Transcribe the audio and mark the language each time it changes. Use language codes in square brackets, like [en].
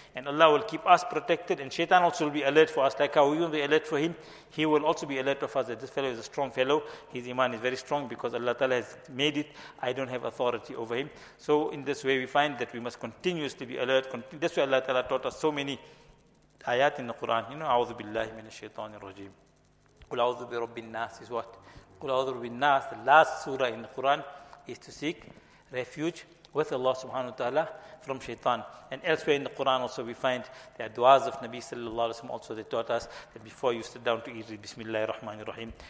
[en] And Allah will keep us protected, and shaitan also will be alert for us, like how we will be alert for him. He will also be alert of us that this fellow is a strong fellow, his iman is very strong, because Allah Ta'ala has made it, I don't have authority over him. So in this way we find that we must continuously be alert. That's why Allah Ta'ala taught us so many ayat in the Quran. You know, [ar] أعوذ بالله من الشيطان الرجيم. قل أعوذ برب الناس [en] is what? [ar] قل أعوذ برب الناس, [en] the last surah in the Quran, is to seek refuge with Allah subhanahu wa ta'ala from shaitan. And elsewhere in the Quran also we find the du'as of Nabi sallallahu alayhi wa sallam, also they taught us that before you sit down to eat, read Bismillah ar-Rahman ar-Rahim.